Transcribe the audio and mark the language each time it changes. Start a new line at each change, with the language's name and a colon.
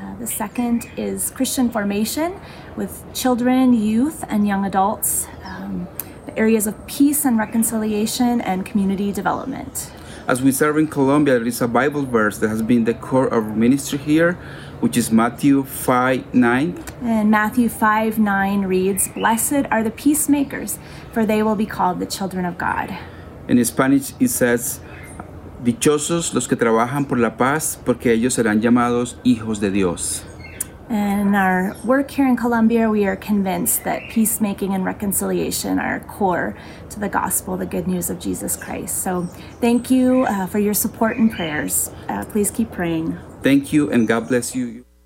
English: The second is Christian formation with children, youth, and young adults, the areas of peace and reconciliation and community development. As we serve in Colombia, there is a Bible verse that has been the core of ministry here, which is Matthew 5:9. And Matthew 5:9 reads, "Blessed are the peacemakers, for they will be called the children of God." In Spanish, it says,
Spanish: "Dichosos los que trabajan por la paz, porque ellos serán llamados hijos de Dios."
English: And in our work here in Colombia, we are convinced that peacemaking and reconciliation are core to the gospel, the good news of Jesus Christ. So thank you for your support and prayers. Please keep praying. Thank you, and God bless you.